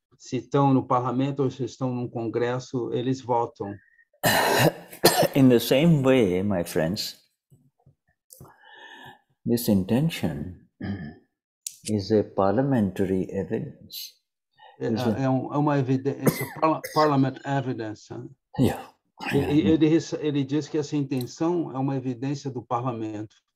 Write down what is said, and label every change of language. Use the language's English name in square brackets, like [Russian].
[Portuguese] Se estão no parlamento ou se estão no congresso, eles votam. [English] In the same way, my friends, this intention is a parliamentary evidence. [Portuguese] É uma evidência, [English] parliament evidence. Yeah. [Portuguese] Ele diz que essa intenção é uma evidência do parlamento.